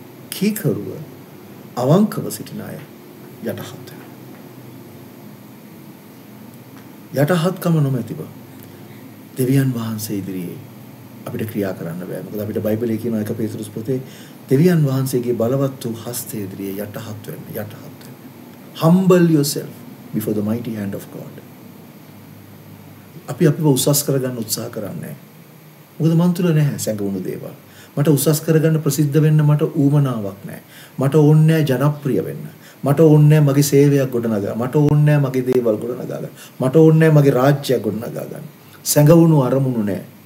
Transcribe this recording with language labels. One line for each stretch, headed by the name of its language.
Sinhala: කීකරුව අවංකව සිටින අය යටහත් වෙනවා. යටහත්කම නොමැතිව දෙවියන් වහන්සේ ඉදිරියේ අපිට ක්‍රියා කරන්න බෑ. මොකද අපිට බයිබලයේ කියන එක පේතෘස් පොතේ දෙවියන් වහන්සේගේ බලවත් වූ හස්තය ඉදිරියේ යටහත් වෙන්න, යටහත් වෙන්න.
English: Humble yourself before the mighty hand of God.
Sinhala: අපි අපිව උසස් කරගන්න උත්සාහ කරන්නේ. මොකද මන් තුල නැහැ සැඟවුණු දේවල්. මට උසස් කරගන්න ප්‍රසිද්ධ වෙන්න මට ඌමනාවක් නැහැ. මට ඕනේ නැහැ ජනප්‍රිය වෙන්න. මට ඕනේ නැහැ මගේ සේවයක් ගොඩනගා. මට ඕනේ නැහැ මගේ දේවල් ගොඩනගා ගන්න. මට ඕනේ නැහැ මගේ රාජ්‍යයක් ගොඩනගා ගන්න. සැඟවුණු අරමුණු නැහැ.